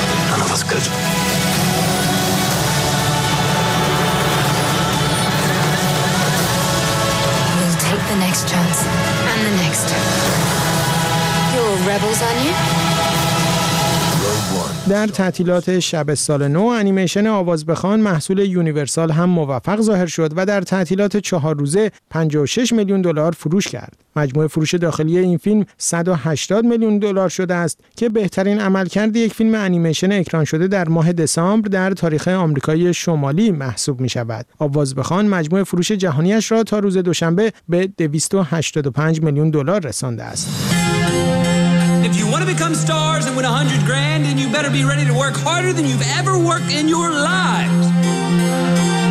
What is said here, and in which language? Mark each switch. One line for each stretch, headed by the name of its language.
English: None of us could. We'll take the next chance and the next. You're all rebels, aren't you?
Persian: در تعطیلات شب سال نو انیمیشن آواز بخوان محصول یونیورسال هم موفق ظاهر شد و در تعطیلات 4 روزه 56 میلیون دلار فروش کرد. مجموع فروش داخلی این فیلم 180 میلیون دلار شده است که بهترین عملکرد یک فیلم انیمیشن اکران شده در ماه دسامبر در تاریخ آمریکای شمالی محسوب می شود. آواز بخوان مجموع فروش جهانیش را تا روز دوشنبه به 285 میلیون دلار رسانده است.
English: If you want to become stars and win $100,000, then you better be ready to work harder than you've ever worked in your lives.